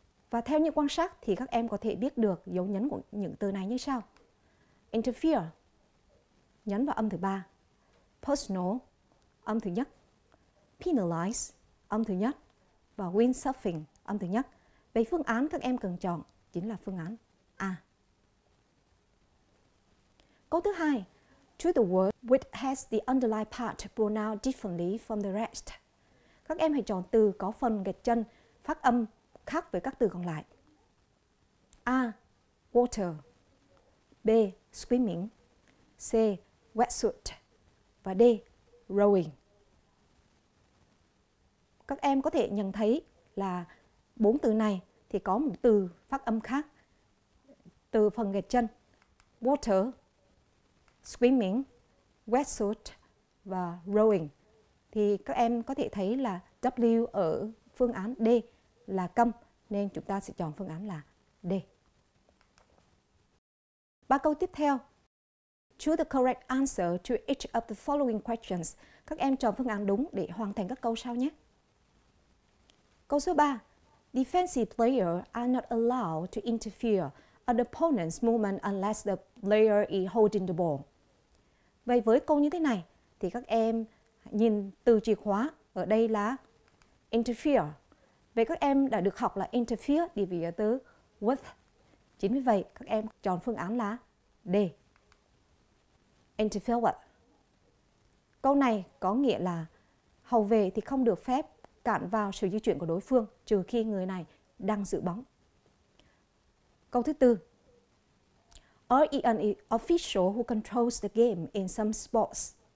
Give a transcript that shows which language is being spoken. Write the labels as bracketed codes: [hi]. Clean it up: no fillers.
[vi] Và theo những quan sát thì các em có thể biết được dấu nhấn của những từ này như sau. Interfere. Nhấn vào âm thứ 3. Personal. Âm thứ nhất. Penalize. Âm thứ nhất. Và Windsurfing. Âm thứ nhất. Vậy phương án các em cần chọn chính là phương án A. Câu thứ hai, [en] choose the word which has the underlying part pronounced differently from the rest. [vi] Các em hãy chọn từ có phần gạch chân phát âm khác với các từ còn lại. [en] A. Water. B. Swimming. C. Wetsuit. Và D. Rowing. [vi] Các em có thể nhận thấy là bốn từ này thì có một từ phát âm khác từ phần gạch chân, water, swimming, wetsuit và rowing. Thì các em có thể thấy là W ở phương án D là come, nên chúng ta sẽ chọn phương án là D. Ba câu tiếp theo. [en] Choose the correct answer to each of the following questions. [vi] Các em chọn phương án đúng để hoàn thành các câu sau nhé. Câu số 3. [en] Defensive players are not allowed to interfere an opponent's movement unless the player is holding the ball. [vi] Vậy với câu như thế này, thì các em nhìn từ chìa khóa ở đây là interfere. Vậy các em đã được học là interfere đi vì từ with. Chính vì vậy, các em chọn phương án là D. Interfere with. Câu này có nghĩa là hậu vệ thì không được phép cản vào sự di chuyển của đối phương trừ khi người này đang giữ bóng. Câu thứ tư. [en] Or is an official who controls the game in some sports?